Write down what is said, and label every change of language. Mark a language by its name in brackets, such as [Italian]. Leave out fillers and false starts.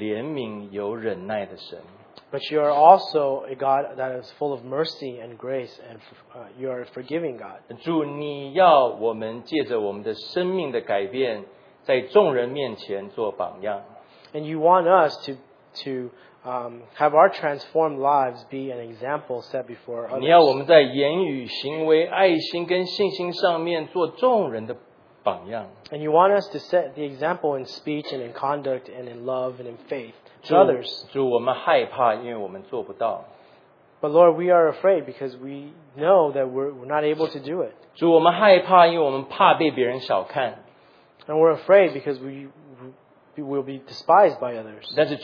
[Chinese] 你还是那位有恩典、有怜悯、有忍耐的神。 [English] But you are also a God that is full of mercy and grace, and you are a forgiving God. [Chinese] 主，你要我们借着我们的生命的改变，在众人面前做榜样。 [English] And you want us to have our transformed lives be an example set before others. [Chinese] 你要我们在言语、行为、爱心跟信心上面做众人的榜样。 [English] And you want us to set the example in speech and in conduct and in love and in faith to others. [Chinese] 主，我们害怕，因为我们做不到。But [English] Lord, we are afraid because we know that we're not able to do it. [Chinese] 主，我们害怕，因为我们怕被别人小看。 [English] And we're afraid because we will be despised by others.